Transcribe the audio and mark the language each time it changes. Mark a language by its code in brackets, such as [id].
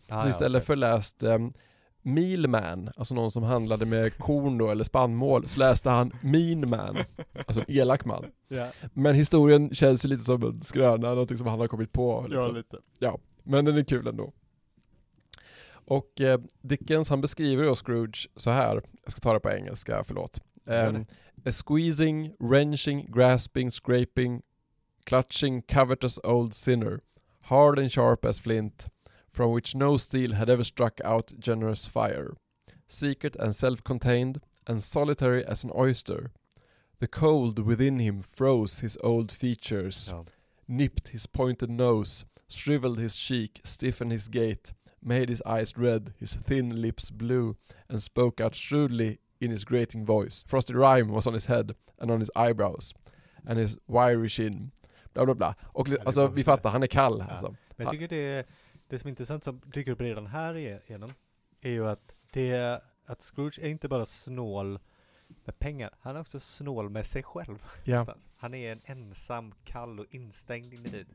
[sv] Ah, istället för läst mealman, alltså någon som handlade med korn då, eller spannmål, så läste han mean man, alltså elak man. [en] Yeah. [sv] Men historien känns ju lite som en skröna, någonting som han har kommit på. Liksom. Ja, lite. Ja, men den är kul ändå. Och Dickens, han beskriver då Scrooge så här, jag ska ta det på engelska, förlåt. [en] A squeezing, wrenching, grasping, scraping, clutching, covetous old sinner, hard and sharp as flint, from which no steel had ever struck out generous fire, secret and self-contained, and solitary as an oyster. The cold within him froze his old features, nipped his pointed nose, shriveled his cheek, stiffened his gait, made his eyes red, his thin lips blue, and spoke out shrewdly in his grating voice. Frosty rime was on his head and on his eyebrows, and his wiry chin. Bla bla bla. [sv] Och alltså, vi fattar, han är kall. Ja. Alltså. Men jag tycker det som är intressant som dyker upp redan här igenom är ju att, att Scrooge är inte bara snål med pengar, han är också snål med sig själv. Ja. Han är en ensam, kall och instängd individ.